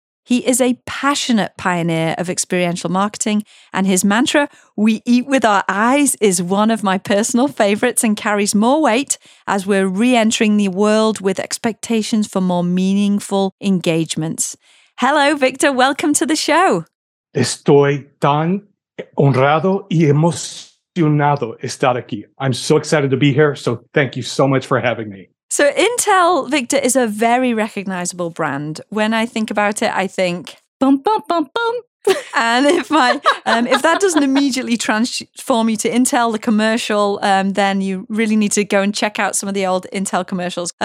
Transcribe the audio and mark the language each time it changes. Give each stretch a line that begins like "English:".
English: He is a passionate pioneer of experiential marketing, and his mantra, "We eat with our eyes," is one of my personal favorites and carries more weight as we're re-entering the world with expectations for more meaningful engagements. Hello, Victor. Welcome to the show.
Spanish: Estoy tan honrado y emocionado estar aquí.
English: I'm so excited to be here. So thank you so much for having me. So Intel, Victor, is a very recognizable brand. When I think about it, I think, bum, bum, bum, bum. And if I, if that doesn't immediately transform you to Intel, the commercial, then you really need to go and check out some of the old Intel commercials.